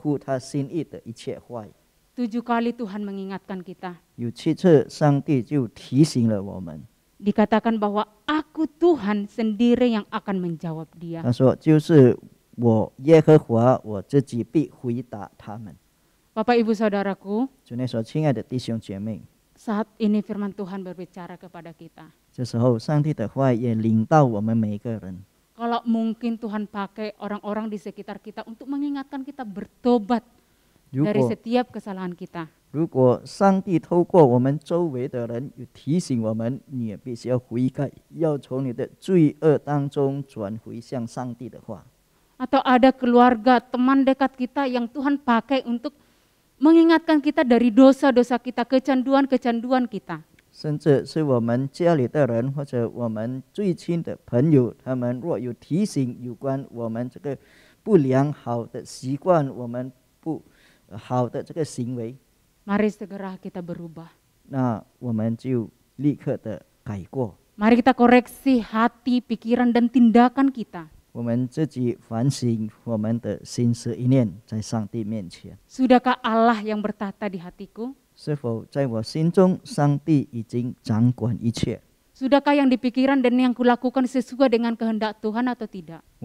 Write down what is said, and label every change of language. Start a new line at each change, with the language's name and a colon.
Chinese: 或者我们是讲上帝不喜悦的，不是合乎他心意的一切话语。
Indonesian: 7 kali Tuhan mengingatkan kita.
Chinese: 有七次上帝就提醒了我们。
Indonesian: Dikatakan bahwa aku Tuhan sendiri yang akan menjawab dia.
Chinese: 他说就是我耶和华我自己必回答他们。
Indonesian: Bapak Ibu Saudaraku,
Chinese: 主内所亲爱的弟兄姐妹,
Indonesian: saat ini firman Tuhan berbicara kepada kita.
Chinese: 这时候上帝的话也领导我们每个人。
Indonesian: Kalau mungkin Tuhan pakai orang-orang di sekitar kita untuk mengingatkan kita bertobat dari setiap kesalahan kita.
Chinese: 如果上帝透过我们周围的人有提醒我们，你也必须要悔改，要从你的罪恶当中转回向上帝的话。
Indonesian: atau ada keluarga, teman dekat kita yang Tuhan pakai untuk mengingatkan kita dari dosa-dosa kita, kecanduan-kecanduan kita.
Chinese: 甚至是我们家里的人或者我们最亲的朋友，他们若有提醒有关我们这个不良好的习惯，我们不好的这个行为，
Indonesian: mari segera kita berubah.
Chinese: 那我们就立刻的改过。
Indonesian: Mari kita koreksi hati, pikiran dan tindakan kita.
Chinese: 我们自己反省我们的心思意念在上帝面前。
Indonesian: Sudahkah Allah yang bertahta di hatiku?
Chinese: 是否在我心中上帝已经掌管一切？
Indonesian: Sudahkah yang di pikiran dan yang kulakukan sesuai dengan kehendak Tuhan atau tidak?